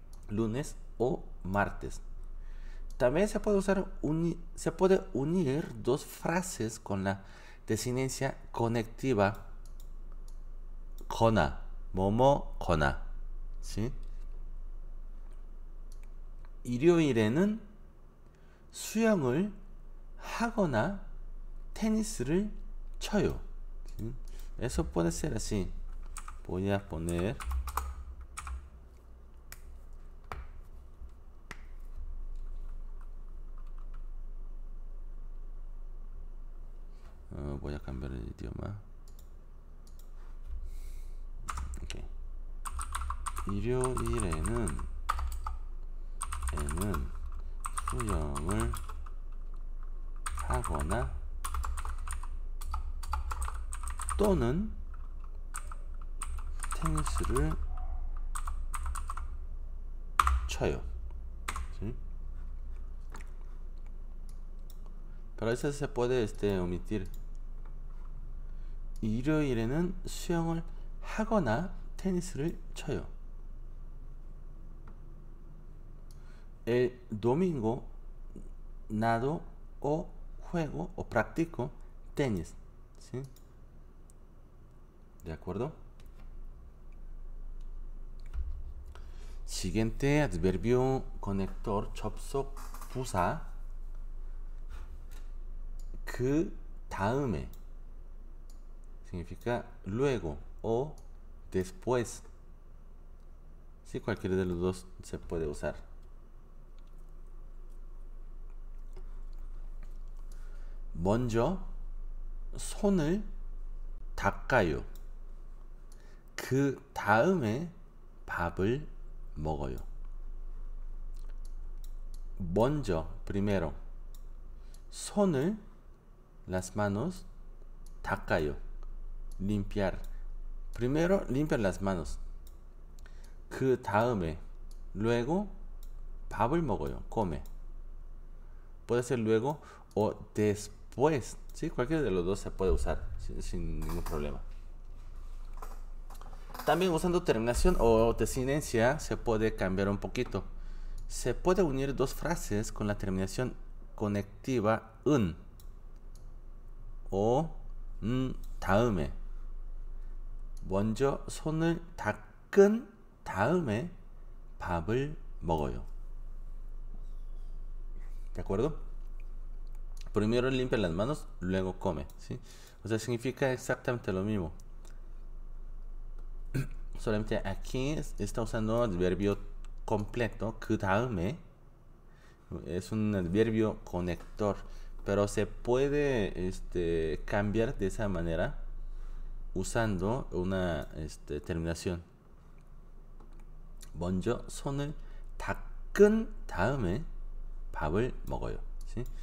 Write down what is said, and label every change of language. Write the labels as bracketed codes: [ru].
[es] Lunes o martes. También se puede usar se puede unir dos frases con la desinencia conectiva cona, momo cona, ¿sí? [ko] 일요일에는 수영을 하거나 테니스를 쳐요. [es] ¿Sí? Eso puede ser así. Voy a poner. Voy a cambiar el idioma. Okay. [ko] 일요일에는 에는 수영을 하거나 또는 테니스를 쳐요. [es] ¿Sí? Pero eso se puede omitir. [ko] 일요일에는 수영을 하거나 테니스를 쳐요. [es] El domingo nado o juego o practico tenis. ¿Sí? ¿De acuerdo? Siguiente adverbio conector 접속 부사. 그 다음에 significa luego o después. Sí, cualquiera de los dos se puede usar. [ko] Bonjo, 손을 닦아요. 그 다음에 밥을 먹어요. [es] Bonjo, primero. [ko] 손을, [es] las manos, [ko] 닦아요. [es] Limpiar. Primero, limpiar las manos. [ko] 그 다음에, luego, 밥을 먹어요. [es] Come. Puede ser luego o después. Pues, sí, cualquiera de los dos se puede usar sin ningún problema. También usando terminación o desinencia se puede cambiar un poquito. Se puede unir dos frases con la terminación conectiva un o un 다음에. [ko] 먼저 손을 닦은 다음에 밥을 먹어요. [es] ¿De acuerdo? Primero limpia las manos, luego come, ¿sí? O sea, significa exactamente lo mismo. Solamente aquí está usando adverbio completo, 그 다음에. Es un adverbio conector, pero se puede cambiar de esa manera usando una terminación. [ko] 먼저 손을 닦은 다음에 밥을 먹어요, ¿sí?